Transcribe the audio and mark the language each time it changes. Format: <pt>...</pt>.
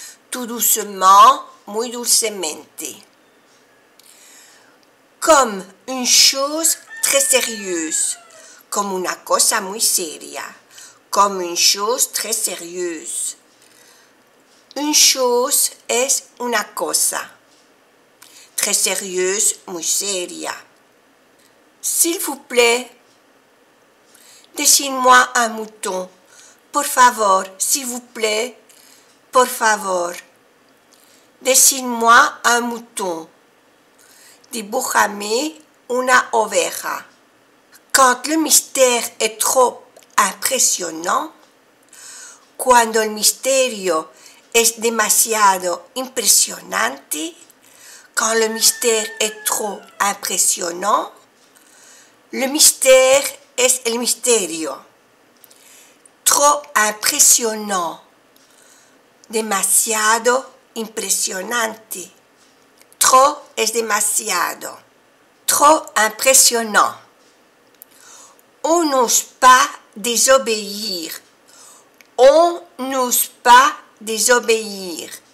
<fr>Tout doucement,</fr> <es>muy dulcemente.</es> <fr>Comme une chose très sérieuse.</fr> <es>Comme una cosa muy seria.</es> <fr>Comme une chose très sérieuse. Une chose</fr> <es>es una cosa.</es> <fr>Très sérieuse,</fr> <es>muy seria.</es> <fr>S'il vous plaît, dessine-moi un mouton.</fr> <es>Por favor,</es> <fr>s'il vous plaît,</fr> <es>por favor.</es> <fr>Dessine-moi un mouton.</fr> <es>Dibújame una oveja.</es> <fr>Quand le mystère est trop impressionnant,</fr> <es>cuando el misterio es demasiado impresionante,</es> <fr>quand le mystère est trop impressionnant, le mystère</fr> <es>es el misterio.</es> <fr>Trop impressionnant.</fr> <es>Demasiado impresionante.</es> <fr>Trop</fr> <es>es demasiado.</es> <fr>Trop impressionnant. On n'ose pas désobéir. On n'ose pas désobéir.</fr>